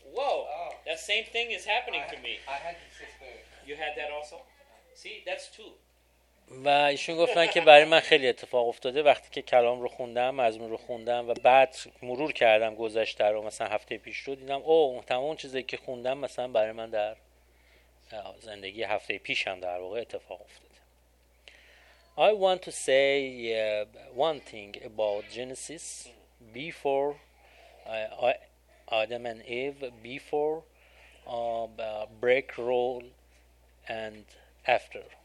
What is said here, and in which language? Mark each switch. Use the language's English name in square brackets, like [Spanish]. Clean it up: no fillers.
[English] Whoa, oh, that same thing is happening to me. I had this sister. You had that also? See, that's two. [Persian] و ایشون گفتن که برای من خیلی اتفاق افتاده وقتی که کلام رو خوندم، مضمون رو خوندم و بعد مرور کردم گذشته رو، مثلا هفته پیش رو دیدم، اوه تمام چیزایی که خوندم مثلا برای من در زندگی هفته پیش هم در واقع اتفاق افتاده. [English] I want to say one thing about Genesis before Adam and Eve, before break roll and after.